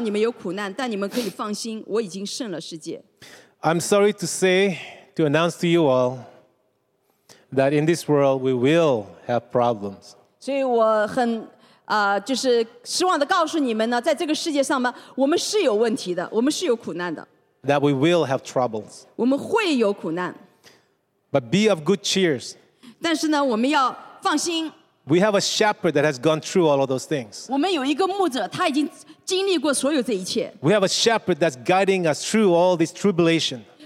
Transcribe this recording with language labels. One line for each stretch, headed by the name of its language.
Chinese: 我将这些事告诉你们,是要叫你们在我里面有平安,在世上你们有苦难,但你们可以放心,我已经胜了世界。
English: I'm sorry to say, to announce to you all, that in this world we will have problems.
Chinese: 所以我很失望地告诉你们呢,在这个世界上呢,我们是有问题的,我们是有苦难的。
English: That we will have troubles.
Chinese: 我们会有苦难。
English: But be of good cheer.
Chinese: 但是呢,我们要放心。
English: We have a shepherd that has gone through all of those things.
Chinese: 我们有一个牧者,他已经经历过所有这一切。
English: We have a shepherd that's guiding us through all this tribulation.